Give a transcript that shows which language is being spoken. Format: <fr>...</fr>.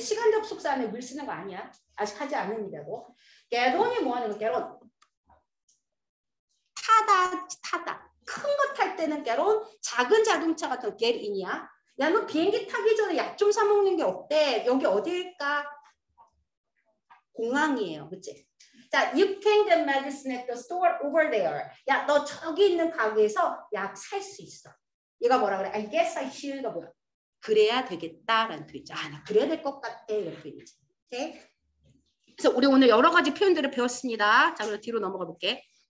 <ko>시간 접속사 안에 will 쓰는 거 아니야. 아직 하지 않은 일이라고. get on이 뭐 하는 거? get on. 타다, 타다. 큰 거 탈 때는 get on. 작은 자동차 같은 get in이야. 야, 너 비행기 타기 전에 약 좀 사 먹는 게 어때? 여기 어디일까? 공항이에요. 그치?</ko> <en>자, you can get medicine at the store over there.</en> <ko>야, 너 저기 있는 가게에서 약 살 수 있어. 얘가 뭐라 그래?</ko> <en>I guess I should.</en> <ko>가 뭐야? 그래야 되겠다. 라는 뜻이지. 아, 나 그래야 될 것 같아. 이렇게 되지. 오케이? 그래서 우리 오늘 여러 가지 표현들을 배웠습니다. 자, 그럼 뒤로 넘어가 볼게.</ko>